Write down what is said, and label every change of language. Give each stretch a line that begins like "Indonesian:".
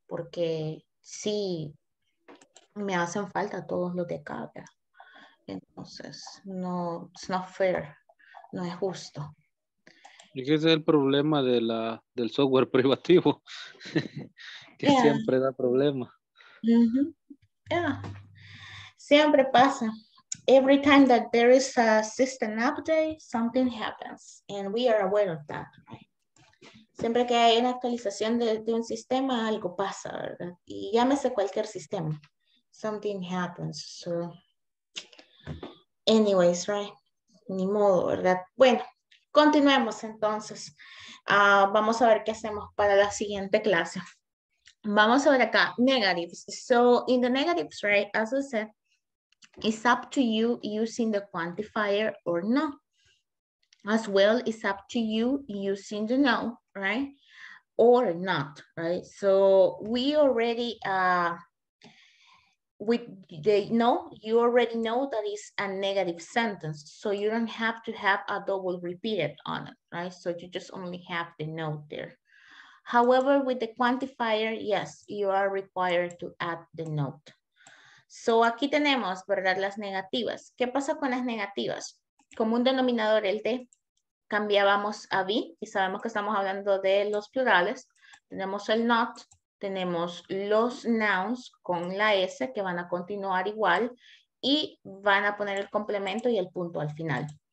Spanish: Porque sí, me hacen falta todos los de acá, ¿verdad? Entonces, no,
English: it's not fair,
Spanish: no es justo. Y ese es el problema del software privativo, que yeah, siempre da problemas. Uh-huh. Yeah. Siempre pasa.
English: Every time that there is a system update, something happens, and we are aware of that, right?
Spanish: Siempre que hay una actualización de un sistema, algo pasa, ¿verdad? Y llámese cualquier sistema,
English: something happens, so, anyways, right?
Spanish: Ni modo, ¿verdad? Bueno, continuemos entonces. Vamos a ver qué hacemos para la siguiente clase. Vamos a ver acá,
English: negatives. So, in the negatives, right, as I said, It's up to you using the quantifier or no. As well, it's up to you using the no, right? Or not, right? So we already, with the no, you already know that it's a negative sentence. So you don't have to have a double repeated on it, right? So you just only have the no there. However, with the quantifier, yes, you are required to add the note.
Spanish: So aquí tenemos, ¿verdad? Las negativas. ¿Qué pasa con las negativas? Como un denominador, el de, cambiábamos a be, y sabemos que estamos hablando de los plurales. Tenemos el not, tenemos los nouns con la S que van a continuar igual y van a poner el complemento y el punto al final.